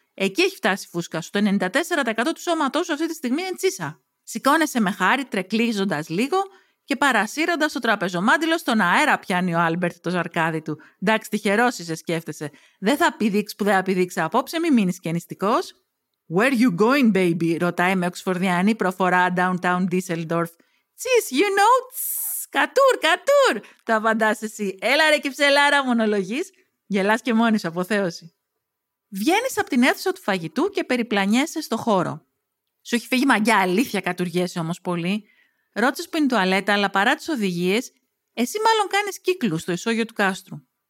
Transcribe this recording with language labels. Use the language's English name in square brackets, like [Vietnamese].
[Greek] Εκεί έχει φτάσει η φούσκα σου, το 94% του σώματός σου αυτή τη στιγμή είναι τσίσα. Σηκώνεσαι με χάρη, τρεκλίζοντας λίγο και παρασύροντας το τραπεζομάντιλο στον αέρα πιάνει ο Άλμπερτ το ζαρκάδι του. «Εντάξει, τυχερός είσαι», σκέφτεσαι. «Δεν θα πηδήξεις που δεν θα πηδήξεις απόψε, μην μείνεις και νηστικός». [English] «Where you going, baby?» [Greek] ρωτάει με οξφορδιανή προφορά [English] downtown Düsseldorf. «Cheese, you know, [Greek] Κατούρ, κατούρ! Το απαντάς εσύ. Έλα ρε και ψελάρα, μονολογείς. Γελάς και μόνη σου, αποθέωση. Βγαίνεις από την αίθουσα του φαγητού και περιπλανιέσαι στο χώρο. Σου έχει φύγει μαγιά, αλήθεια, κατουργέσαι όμως πολύ. Ρώτησες που είναι η τουαλέτα, αλλά παρά τις οδηγίες, εσύ μάλλον κάνεις κύκλους στο ισόγειο του κάστρου.